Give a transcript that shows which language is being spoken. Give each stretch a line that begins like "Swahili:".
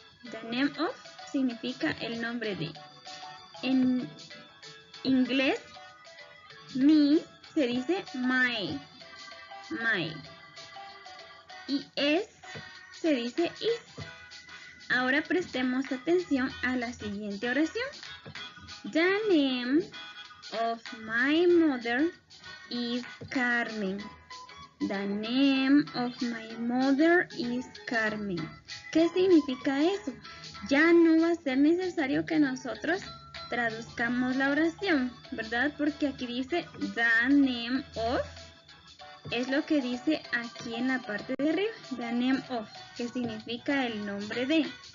Spanish: The name of significa el nombre de. En inglés, me se dice my. My. Y es, se dice is. Ahora prestemos atención a la siguiente oración.
English: The name of my mother is Carmen. The name of my mother is Carmen.
Spanish: ¿Qué significa eso? Ya no va a ser necesario que nosotros traduzcamos la oración, ¿verdad? Porque aquí dice the name of. Es lo que dice aquí en la parte de arriba, the name of, que significa el nombre de.